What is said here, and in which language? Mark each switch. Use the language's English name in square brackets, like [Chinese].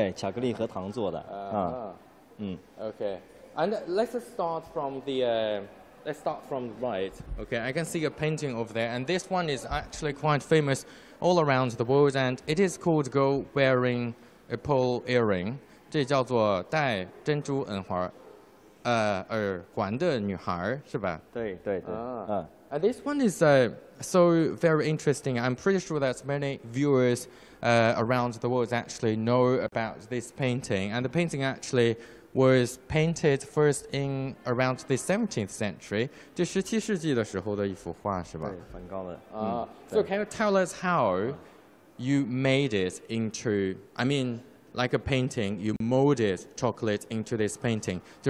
[Chinese] 真正的像铜制品，这些看起来好像铜制品，是吧？但是它是，它们其实都是巧克力。对，其实呢，这个作品呢，它都是可以吃的。啊，都是用巧克力，哎，巧克力和糖做的。啊，嗯。 [English] Okay, and let's start from the right. Okay, I can see a painting over there, and this one is actually quite famous all around the world, and it is called "Go Wearing a Pearl Earring." [Chinese] 这叫做戴珍珠耳环。耳环的女孩是吧？对对对。 [English] And this one is so very interesting. I'm pretty sure that many viewers around the world actually know about this painting. And the painting actually was painted first in around the 17th century. [Chinese] 这17世纪的时候的一幅画是吧？对，梵高的。So [English] can you tell us how you made it into? I mean. Like a painting, you molded chocolate into this painting.